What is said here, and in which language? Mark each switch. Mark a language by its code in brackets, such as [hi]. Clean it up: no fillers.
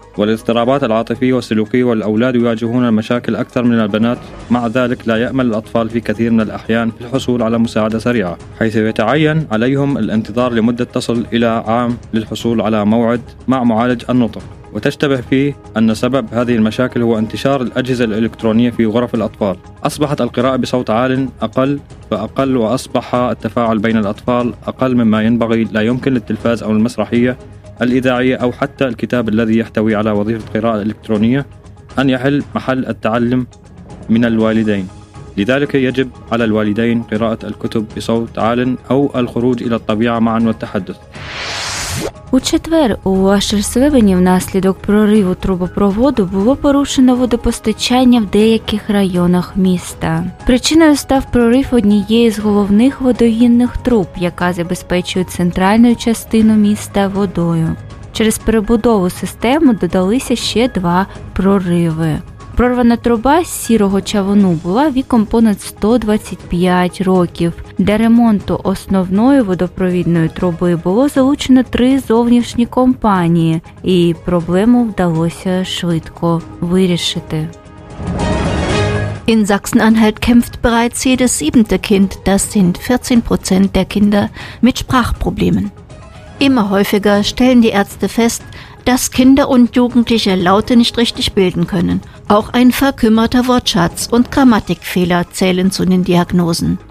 [ar] والاضطرابات العاطفية والسلوكية والأولاد يواجهون مشاكل أكثر من البنات مع ذلك لا يأمل الأطفال في كثير من الأحيان في الحصول على مساعدة سريعة حيث يتعين عليهم الانتظار لمدة تصل إلى عام للحصول على موعد مع معالج النطق وتشتبه فيه أن سبب هذه المشاكل هو انتشار الأجهزة الإلكترونية في غرف الأطفال أصبحت القراءة بصوت عال أقل فأقل وأصبح التفاعل بين الأطفال أقل مما ينبغي لا يمكن للتلفاز أو المسرحية الإذاعية أو حتى الكتاب الذي يحتوي على وظيفة القراءة الإلكترونية أن يحل محل التعلم من الوالدين لذلك يجب على الوالدين قراءة الكتب بصوت عال أو الخروج إلى الطبيعة معا والتحدث [uk] У четвер у Ашерслібені внаслідок прориву трубопроводу було порушено водопостачання в деяких районах міста. Причиною став прорив однієї з головних водогінних труб, яка забезпечує центральну частину міста водою. Через перебудову системи додалися ще два прориви. Прорвана труба сірого чавуну була віком понад 125 років. Для ремонту основної водопровідної труби було залучено три зовнішні компанії, і проблему вдалося швидко вирішити. [de] In Sachsen-Anhalt kämpft bereits jedes siebte Kind, das sind 14% der Kinder, mit Sprachproblemen. Immer häufiger stellen die Ärzte fest, dass Kinder und Jugendliche Laute nicht richtig bilden können. Auch ein verkümmerter Wortschatz und Grammatikfehler zählen zu den Diagnosen.